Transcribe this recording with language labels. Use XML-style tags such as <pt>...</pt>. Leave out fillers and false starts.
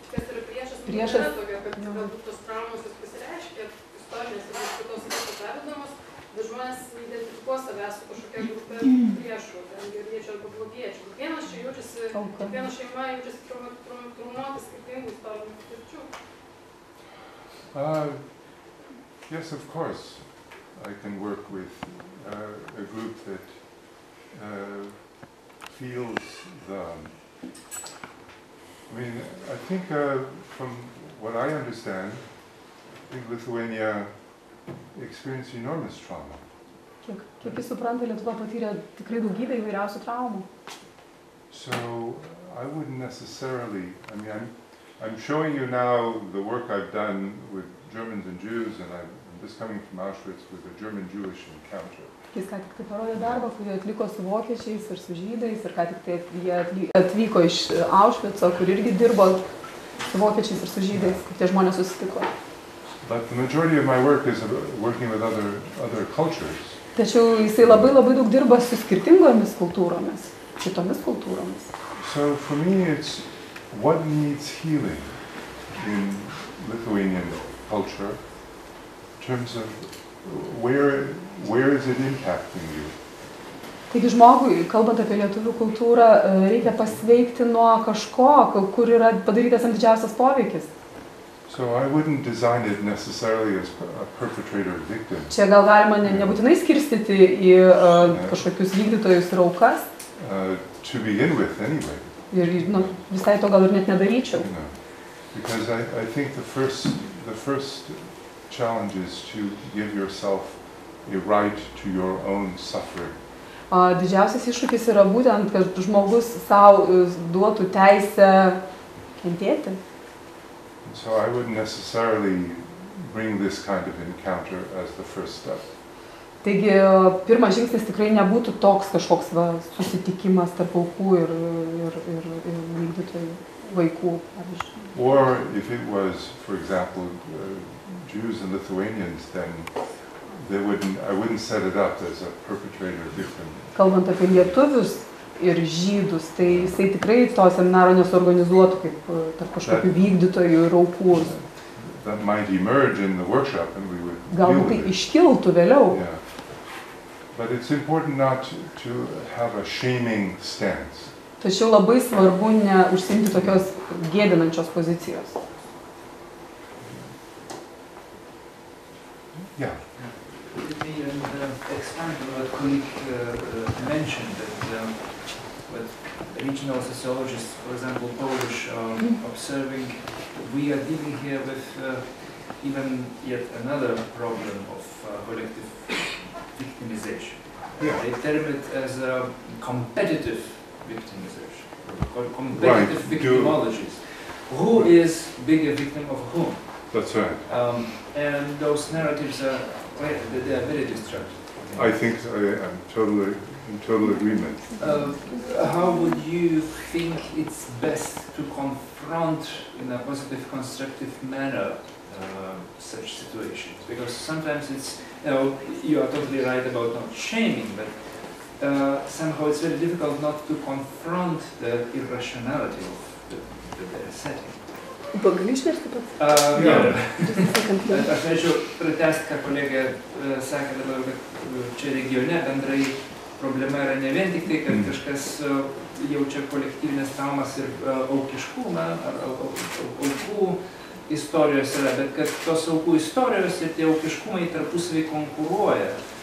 <lt>Kas yra priešas, kad galbūt tos traumos pasireiškia, istorinės ir kitos atsitavydamos, bet žmonės identifikuos savęs su kažkokia grupė priešų, ten gerviečių arba blogiečių. Vienas čia jaučiasi, kiekviena šeima jaučiasi traumuoti skirtingų istorinių patirčių.</lt> <en>Yes, of course, I can work with a group that feels the I mean, I think from what I understand, I think Lithuania experienced enormous trauma.</en> <lt>Kiek jis supranta, Lietuva patyrė tikrai daugybę įvairiausių traumų.</lt> <en>So I wouldn't necessarily, I mean, I'm showing you now the work I've done with Germans and Jews, and I'm just coming from Auschwitz with a German-Jewish encounter.</en> <lt>Jis ką tik parodė darbą, kurį atliko su vokiečiais ir su žydais, ir ką tik jie atvyko iš Auschwitz'o, kur irgi dirbo su vokiečiais ir su žydais, kur tie žmonės susitiko.</lt> <en>But the majority of my work is working with other cultures.</en> <lt>Tačiau jisai labai labai daug dirba su skirtingomis kultūromis, kitomis kultūromis.</lt> <en>So for me it's what needs healing in Lithuanian culture in terms of where is it impacting you?</en> <lt>Taigi žmogui, kalbant apie lietuvių kultūrą, reikia pasveikti nuo kažko, kur yra padarytas didžiausias poveikis.</lt> <en>So I wouldn't design it necessarily as a perpetrator victim.</en> <lt>Čia gal galima nebūtinai skirstyti į kažkokius vykdytojus ir aukas.</lt> <en>To begin with anyway.</en> <lt>Ir visai to gal ir net nedaryčiau.</lt> <en>No. Because I think the first challenge is to give yourself a right to your own suffering.</en> <lt>Didžiausias iššūkis yra būtent, kad žmogus sau duotų teisę kentėti.</lt> <en>So I wouldn't necessarily bring this kind of encounter as the first step.</en> <lt>Taigi pirmas žingsnis tikrai nebūtų toks kažkoks va susitikimas tarp aukų ir vykdytojų vaikų, pavyzdžiui.</lt> <en>Or if it was, for example, Jews and Lithuanians, then I wouldn't set it up as a perpetrator victim.</en> <lt>Kalbant apie lietuvius ir žydus, tai jisai tikrai to seminaro nesuorganizuotų kaip tarp kažkokių vykdytojų ir aukų.</lt> <en>That might emerge in the workshop and we would.</en> <lt>Galbūt tai iškiltų vėliau.</lt> <en>But it's important not to have a shaming stance.</en> <lt>Tačiau labai svarbu neužsiimti tokios gėdinančios pozicijos.</lt> <en>Yeah. Could it be an expand on what colleague mentioned that with regional sociologists, for example, Polish, are observing we are dealing here with even yet another problem of collective victimization. Yeah. They term it as a competitive victimization, competitive right. Victimologies. Do. Who right. is bigger victim of whom? That's right. And those narratives are. They are very destructive. I'm in total agreement. How would you think it's best to confront in a positive, constructive manner such situations? Because sometimes it's, you are totally right about not shaming, but somehow it's very difficult not to confront the irrationality of the setting. Yeah.</en> <lt>Aš norėčiau pratesti, ką kolegė sakė dabar, kad čia regione bendrai problema yra ne vien tik tai, kad kažkas jaučia kolektyvinės traumas ir aukiškumą, ar aukų istorijos yra, bet kad tos aukų istorijos ir tie aukiškumai tarpusavį konkuruoja.</lt>